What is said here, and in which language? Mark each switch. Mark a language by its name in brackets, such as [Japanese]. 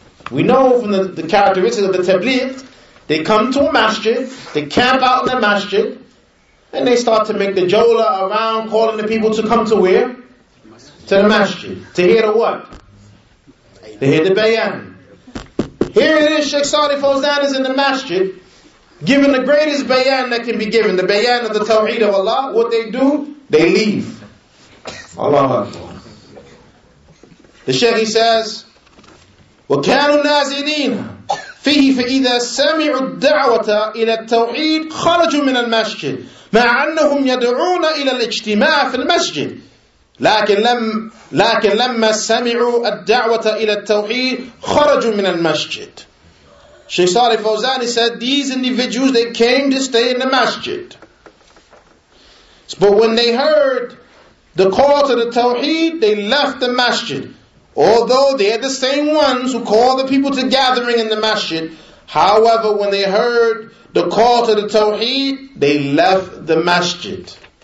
[English] We know from the characteristics of the Tabligh, they come to a masjid, they camp out in the masjid, and they start to make the jola around, calling the people to come to where? To the masjid. To hear the what? To hear the bayan. Here it is, Sheikh Salih Fawzan is in the masjid, given the greatest bayan that can be given, the bayan of the Tawheed of Allah. What they do? They leave. Allah Akbar. The Sheikh, he says, [Arabic] وَكَانُوا نَازِلِينَ فِيهِ فَإِذَا سَمِعُوا الدَّعْوَةَ إِلَى التَّوْحِيدِ خَرَجُوا مِنَ الْمَسْجِدِ مَا عَنَّهُمْ يَدْعُونَ إِلَى الْإِجْتِمَاعَ فِي الْمَسْجِدِ لَكِنْ لَمَّا سَمِعُوا الدَّعْوَةَ إِلَى التَّوْحِيدِ خَرَجُوا مِنَ الْمَسْجِدِ [English] Sheikh Salih Fawzani said, these individuals, they came to stay in the masjid. But when they heard the call to the Tawheed, they left the masjid. Although they are the same ones who call the people to gathering in the masjid, however, when they heard the call to the Tawheed, they left the masjid.